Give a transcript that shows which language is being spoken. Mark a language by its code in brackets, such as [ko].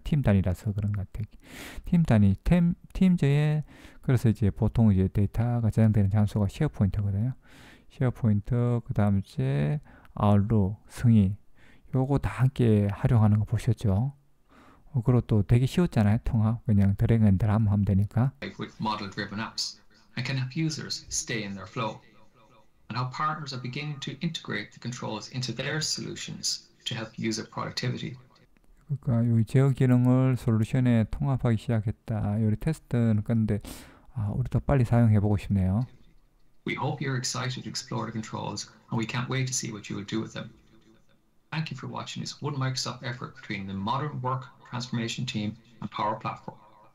[ko] 팀 단위라서 그런 것 같아요. 팀 단위 팀즈에 그래서 이제 보통 이제 데이터가 저장되는 장소가 쉐어포인트거든요. 쉐어포인트 그 다음 이제 아웃룩 승인 요거 다 함께 활용하는 거 보셨죠? 그리고 또 되게 쉬웠잖아요. 통합 그냥 드래그앤드랍 하면 되니까. [en] With model-driven apps, and can help users stay in their flow, and how partners are beginning to integrate the controls into their solutions to help user productivity. [ko] 그러니까 이 제어 기능을 솔루션에 통합하기 시작했다. 요리 테스트는 건데 아, 우리도 빨리 사용해 보고 싶네요. [en] We hope you're excited to explore the controls, and we can't wait to see what you will do with them. Thank you for watching this one Microsoft effort between the modern work transformation team and Power Platform.